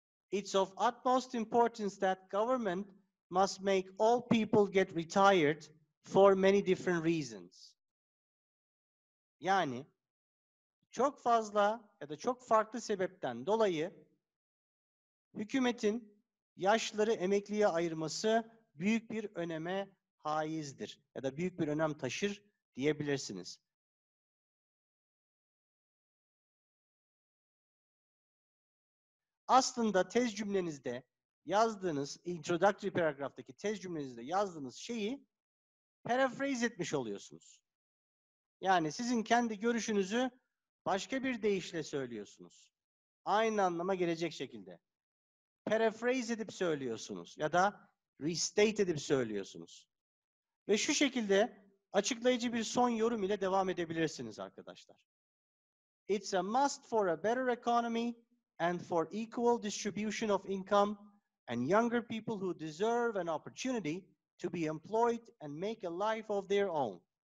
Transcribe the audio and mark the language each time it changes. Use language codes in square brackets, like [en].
[en] It's of utmost importance that government must make all people get retired for many different reasons. [tr] Yani çok fazla ya da çok farklı sebepten dolayı hükümetin yaşlıları emekliye ayırması büyük bir öneme haizdir ya da büyük bir önem taşır diyebilirsiniz. Aslında tez cümlenizde yazdığınız, introductory paragraftaki tez cümlenizde yazdığınız şeyi paraphrase etmiş oluyorsunuz. Yani sizin kendi görüşünüzü başka bir deyişle söylüyorsunuz. Aynı anlama gelecek şekilde. Paraphrase edip söylüyorsunuz ya da restate edip söylüyorsunuz. Ve şu şekilde açıklayıcı bir son yorum ile devam edebilirsiniz arkadaşlar. [en] It's a must for a better economy and for equal distribution of income and younger people who deserve an opportunity to be employed and make a life of their own.